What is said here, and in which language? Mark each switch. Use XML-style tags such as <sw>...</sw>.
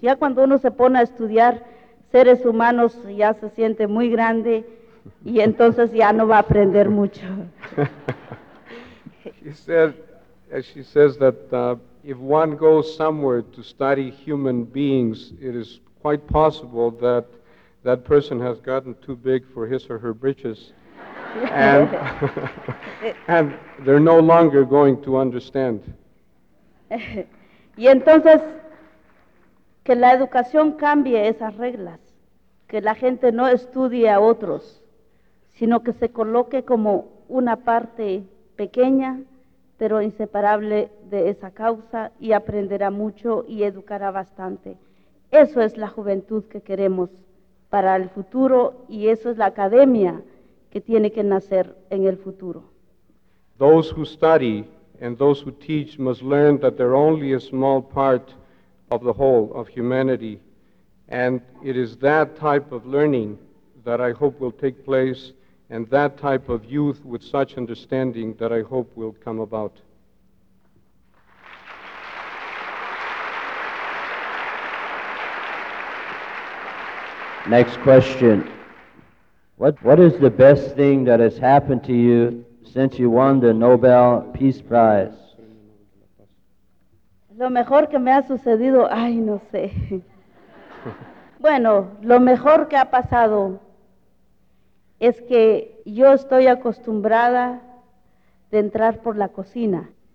<es>Ya cuando uno se pone a estudiar seres humanos, ya se siente muy grande y entonces ya no va a aprender mucho.</es> <en>She said, as she says, that if one goes somewhere to study human beings, it is quite possible that that person has gotten too big for his or her britches. And they're no longer going to understand.</en> <es>Y entonces, que la educación cambie esas reglas, que la gente no estudie a otros, sino que se coloque como una parte pequeña, pero inseparable de esa causa, y aprenderá mucho y educará bastante. Eso es la juventud que queremos para el futuro, y eso es la academia que tiene que nacer en el futuro.</es> <en>Those who study and those who teach must learn that they're only a small part of the whole of humanity, and it is that type of learning that I hope will take place, and that type of youth with such understanding that I hope will come about. Next question. What is the best thing that has happened to you since you won the Nobel Peace Prize?</en> <es>Lo mejor que me ha sucedido, ay, no sé. Bueno, lo mejor que ha pasado es que yo estoy acostumbrada de entrar por la cocina.</es>